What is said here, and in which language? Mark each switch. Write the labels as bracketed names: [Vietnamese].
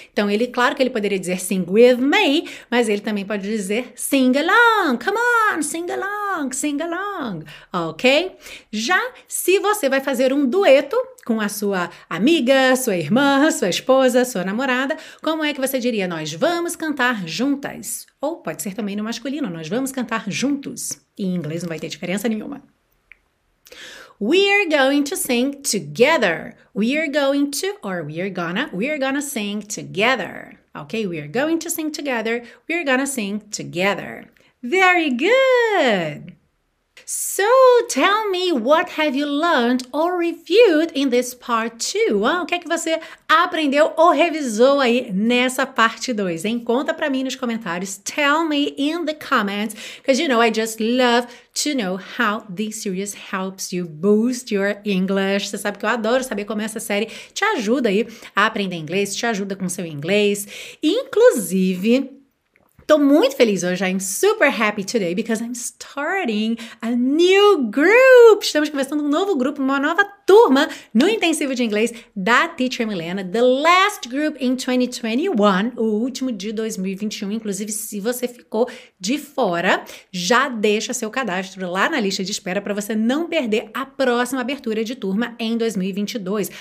[Portuguese] Então, ele, claro que ele poderia dizer [English] sing with me, [Portuguese] mas ele também pode dizer [English] sing along, come on, sing along, [Portuguese] ok? Já se você vai fazer um dueto com a sua amiga, sua irmã, sua esposa, sua namorada, como é que você diria? Nós vamos cantar juntas. Ou pode ser também no masculino, nós vamos cantar juntos. Em inglês não vai ter diferença nenhuma. [English] We're going to sing together. We're going to, or we're gonna sing together. Ok? We're going to sing together. We're gonna sing together. Very good! So, tell me, what have you learned or reviewed in this part 2? [Portuguese] O que é que você aprendeu ou revisou aí nessa parte 2, hein? Conta pra mim nos comentários. [English] Tell me in the comments, because, you know, I just love to know how this series helps you boost your English. [Portuguese] Você sabe que eu adoro saber como essa série te ajuda aí a aprender inglês, te ajuda com seu inglês. Inclusive, tô muito feliz hoje, [English] I'm super happy today, because I'm starting a new group! [Portuguese] Estamos começando um novo grupo, uma nova turma no Intensivo de Inglês da Teacher Milena, [English] the last group in 2021, [Portuguese] o último de 2021, inclusive se você ficou de fora, já deixa seu cadastro lá na lista de espera para você não perder a próxima abertura de turma em 2022.